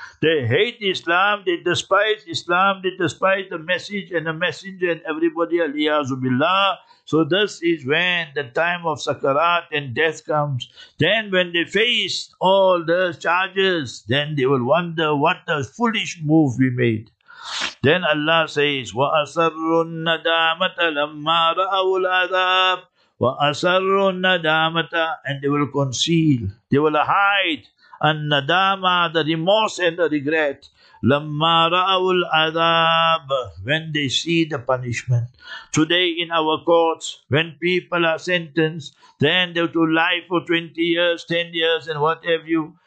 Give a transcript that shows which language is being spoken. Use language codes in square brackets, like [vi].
[en] They hate Islam, they despise the message and the messenger and everybody, aliyazubillah. So this is when the time of Sakarat and death comes. Then when they face all the charges, then they will wonder what a foolish move we made. Then Allah says, [ar] وَأَسَرُّ النَّدَامَةَ لَمَّا رَأَوُ الْعَذَابِ وَأَسَرُّ النَّدَامَةَ. [en] And they will conceal, they will hide. النَّدَامَة, the remorse and the regret. [ar] لَمَّا رَأَوُ الْعَذَابَ, [en] when they see the punishment. Today in our courts, when people are sentenced, then they to life for 20 years, 10 years and what have you.